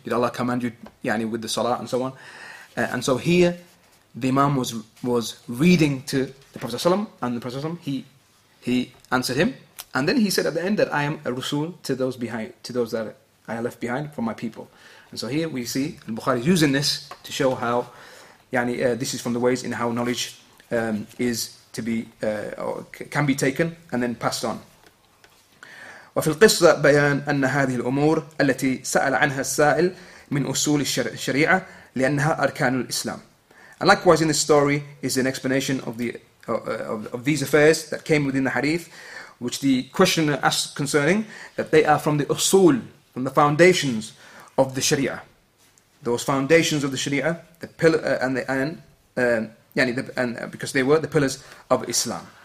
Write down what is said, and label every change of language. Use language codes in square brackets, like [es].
[en] Did Allah command you يعني, with the salah and so on? And so here the Imam was reading to the Prophet and the Prophet he answered him, and then he said at the end that I am a Rasul to those that I left behind from my people. And so here we see Al-Bukhari using this to show how this is from the ways in how knowledge is t- to be can be taken and then passed on. [ar] وفي القصة بيان أن هذه الأمور التي سأل عنها السائل من أصول الشريعة لأنها أركان الإسلام. [en] And likewise in this story is an explanation of the these affairs that came within the hadith, which the questioner asked concerning, that they are from the usul, from the foundations of the sharia. Those foundations of the sharia, because they were the pillars of Islam.